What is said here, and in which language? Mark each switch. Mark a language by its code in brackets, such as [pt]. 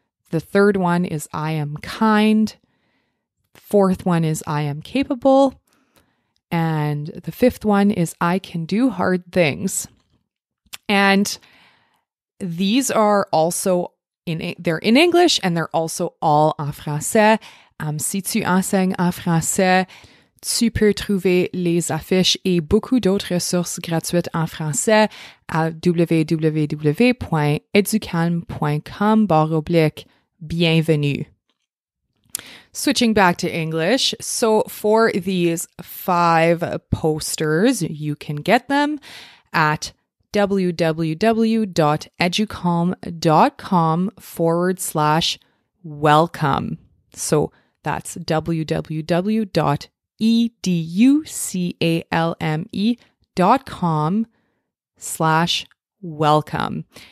[en] The third one is, I am kind. The fourth one is, I am capable. And the fifth one is, I can do hard things. And these are also they're in English, and they're also all [fr] en français. Si tu enseignes en français, tu peux trouver les affiches et beaucoup d'autres ressources gratuites en français à www.educalm.com/bienvenue. [en] Switching back to English, so for these 5 posters, you can get them at www.educalm.com/welcome. So that's www.educalme.com/welcome.